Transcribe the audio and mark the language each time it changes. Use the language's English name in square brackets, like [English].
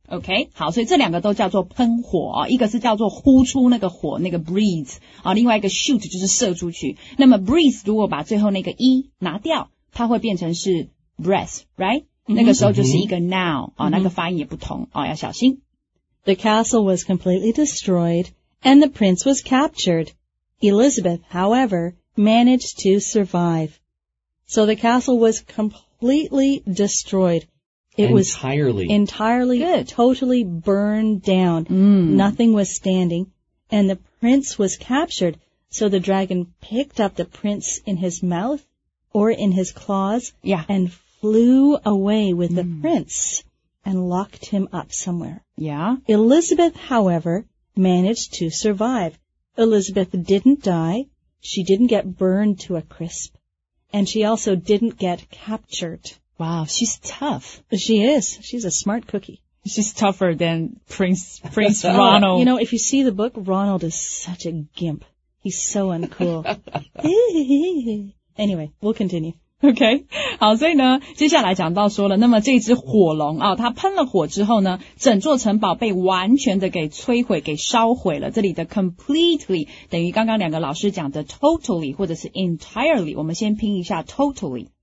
[Chinese] Okay, 好，所以这两个都叫做喷火，一个是叫做呼出那个火，那个 breathe， 另外一个 shoot 就是射出去。那么 breathe 如果把最后那个 e 拿掉，它会变成是 breath， right？那个时候就是一个 noun， 那个发音也不同，要小心。 [English] The castle was completely destroyed, and the prince was captured. Elizabeth, however, managed to survive. So the castle was completely destroyed. It was entirely burned down. Nothing was standing. And the prince was captured. So the dragon picked up the prince in his mouth or in his claws and flew away with the prince and locked him up somewhere. Yeah. Elizabeth, however, managed to survive. Elizabeth didn't die, she didn't get burned to a crisp, and she also didn't get captured. Wow, she's tough. She is. She's a smart cookie. She's tougher than Prince Ronald. You know, if you see the book, Ronald is such a gimp. He's so uncool. Anyway, we'll continue. [Chinese] OK, 好，所以呢，接下来讲到说了，那么这只火龙啊，它喷了火之后呢，整座城堡被完全的给摧毁，给烧毁了。这里的 completely 等于刚刚两个老师讲的 totally 或者是 entirely， 我们先拼一下 totally。